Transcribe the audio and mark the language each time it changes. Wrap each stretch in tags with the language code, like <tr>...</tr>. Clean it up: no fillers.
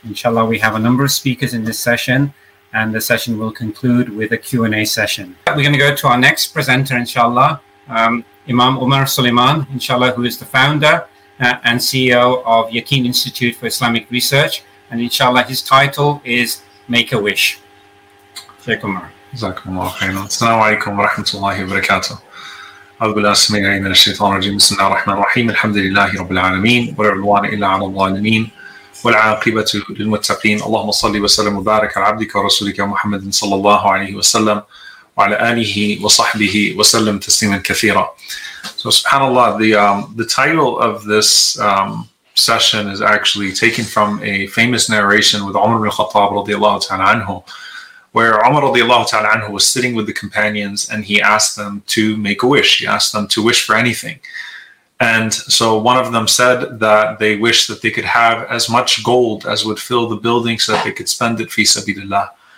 <en>Inshallah, we have a number of speakers in this session, and the session will conclude with a Q&A session. We're going to go to our next presenter, inshallah, Imam Umar Suleiman, inshallah, who is the founder and CEO of Yaqeen Institute for Islamic Research. And inshallah, his title is Make a Wish. Shaykh Umar.</en> <ar>Jazakum Allah khairan. Assalamu alaikum wa rahmatullahi wa barakatuh. أعوذ بالله من الشيطان الرجيم بسم الله الرحمن الرحيم الحمد لله رب العالمين ولا عدوان إلا على الظالمين والعاقبة للمتقين اللهم صل وسلم وبارك على عبدك ورسولك محمد صلى الله عليه وسلم وعلى آله وصحبه وسلم تسليما كثيرا.</ar> <en>So subhanAllah, the title of this session is actually taken from a famous narration with Umar bin Khattab</en> <ar>رضي الله تعالى عنه,</ar> <en>where Umar radiallahu ta'ala anhu was sitting with the companions and he asked them to make a wish. He asked them to wish for anything. And so one of them said that they wished that they could have as much gold as would fill the building so that they could spend it fi sabilillah.</en>